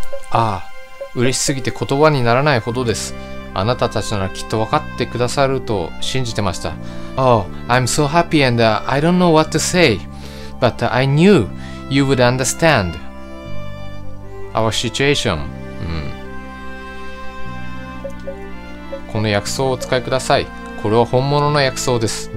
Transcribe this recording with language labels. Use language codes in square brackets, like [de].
[ja] ああ、嬉しすぎて言葉にならないほどです。あなたたちならきっと分かってくださると信じてました。 [en] Oh, I'm so happy and I don't know what to say, but I knew you would understand our situation. [ja] この薬草をお使いください。これは本物の薬草です。